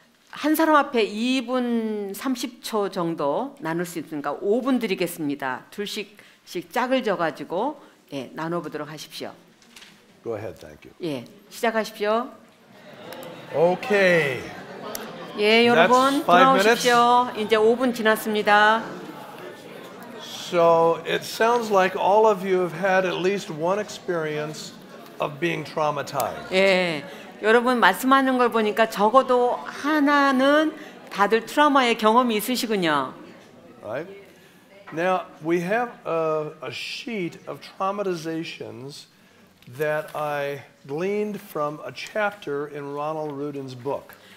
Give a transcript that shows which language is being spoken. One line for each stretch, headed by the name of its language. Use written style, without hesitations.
Korean: 한 사람 앞에 2분 30초 정도 나눌 수 있으니까 5분 드리겠습니다. 둘씩씩 짝을 져가지고 예, 나눠보도록 하십시오.
English: Go ahead, thank you.
Korean: 예, 시작하십시오.
English: Okay.
Korean: 예, 여러분, 돌아오십시오. 이제 5분 지났습니다.
English: So it sounds like all of you have had at least one experience of being traumatized.
Korean: 예. 여러분 말씀하는 걸 보니까 적어도 하나는 다들 트라우마의 경험이 있으시군요.
English: Right. Now we have a sheet of traumatizations that I gleaned from a chapter in Ronald Rudin's book.